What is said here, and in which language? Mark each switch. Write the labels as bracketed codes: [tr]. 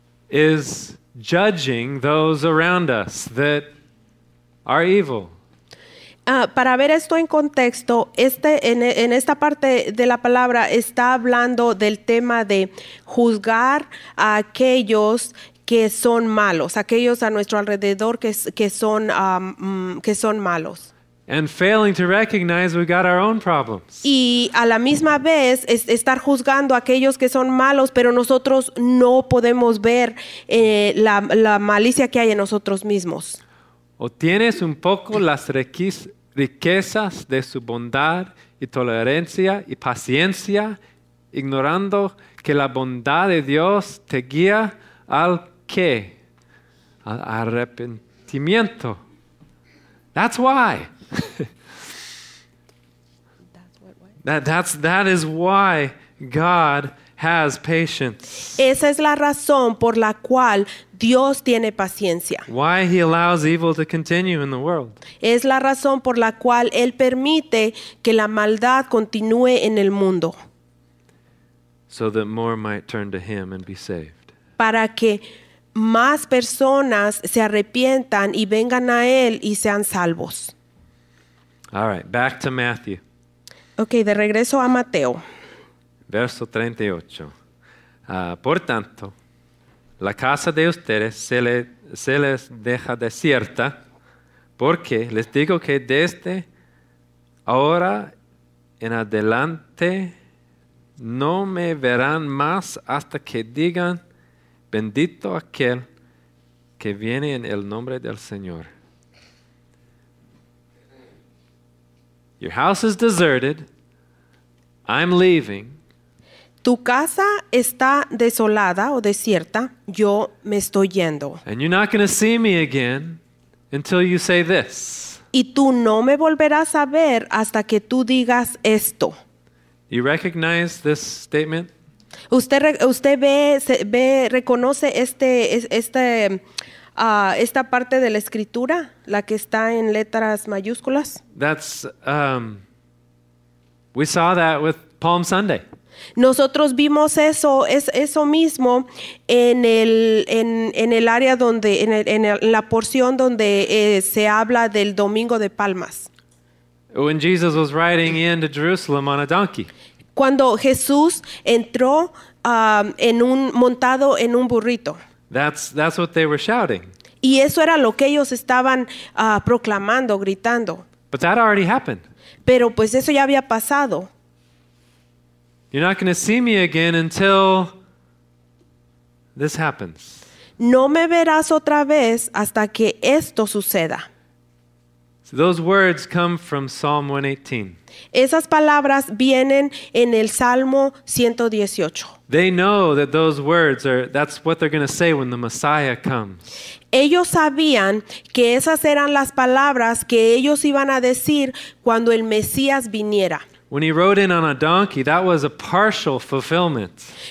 [en] Is judging those around us that are evil. [es] Para ver esto en contexto, en esta parte de la palabra está hablando del tema de juzgar a aquellos que son malos, aquellos a nuestro alrededor que son malos. [en] And failing to recognize we got our own problems. [es] Y a la misma vez estar juzgando a aquellos que son malos, pero nosotros no podemos ver la malicia que hay en nosotros mismos. O tienes un poco las riquezas de su bondad y tolerancia y paciencia, ignorando que la bondad de Dios te guía al qué? Al arrepentimiento. [en] That's why. That is why God has patience. [es] Esa es la razón por la cual Dios tiene paciencia. [en] Why he allows evil to continue in the world. [es] Es la razón por la cual él permite que la maldad continúe en el mundo. [en] So that more might turn to him and be saved. [es] Para que más personas se arrepientan y vengan a él y sean salvos. [en] All right, back to Matthew. [es] Okay, de regreso a Mateo. Verso 38. Por tanto, la casa de ustedes se les deja desierta, porque les digo que desde ahora en adelante no me verán más hasta que digan, bendito aquel que viene en el nombre del Señor. [en] Your house is deserted. I'm leaving. [es] Tu casa está desolada o desierta. Yo me estoy yendo. [en] And you're not going to see me again until you say this. [es] Y tú no me volverás a ver hasta que tú digas esto. [en] You recognize this statement? [es] ¿Usted reconoce esta parte de la escritura, la que está en letras mayúsculas? [en] That's we saw that with Palm Sunday. [es] Nosotros vimos eso mismo en la porción donde se habla del Domingo de Palmas. [en] When Jesus was riding into Jerusalem on a donkey. [es] Cuando Jesús entró montado en un burrito. [en] That's what they were shouting. [es] Y eso era lo que ellos estaban proclamando, gritando. [en] But that already happened. [es] Pero pues eso ya había pasado. [en] You're not going to see me again until this happens. [es] No me verás otra vez hasta que esto suceda. [en] So those words come from Psalm 118. [es] Esas palabras vienen en el Salmo 118. [en] They know that those words are, that's what they're going to say when the Messiah comes. [es] Ellos sabían que esas eran las palabras que ellos iban a decir cuando el Mesías viniera. [en] When he rode in on a donkey, that was a partial fulfillment.